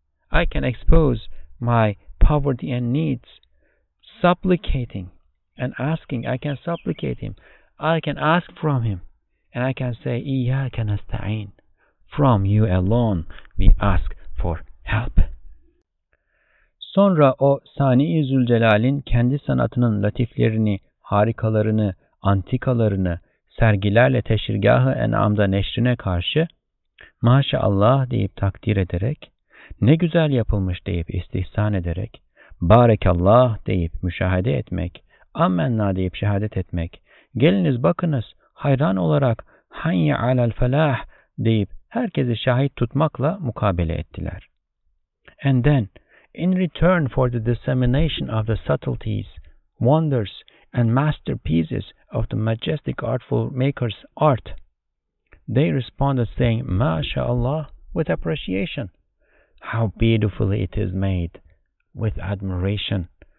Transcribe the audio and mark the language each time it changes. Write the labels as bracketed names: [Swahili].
[English] I can expose my poverty and needs, supplicating and asking. I can supplicate him. I can ask from him. And I can say, [Arabic] إِيَّاكَ نَسْتَعِينَ. [English] From you alone we ask for help. [Turkish] Sonra o Sani-i Zülcelal'in kendi sanatının latiflerini, harikalarını, antikalarını sergilerle Teşhirgah-ı En'am'da neşrine karşı maşallah deyip takdir ederek ne güzel yapılmış deyip istihsan ederek, barekallah deyip müşahede etmek, ammenna deyip şehadet etmek, geliniz bakınız hayran olarak [Arabic] hayye alel felah [Turkish] deyip herkesi şahit tutmakla mukabele ettiler. [English] And then, in return for the dissemination of the subtleties, wonders, and masterpieces of the majestic artful maker's art, they responded saying, MashaAllah, with appreciation. How beautifully it is made, with admiration.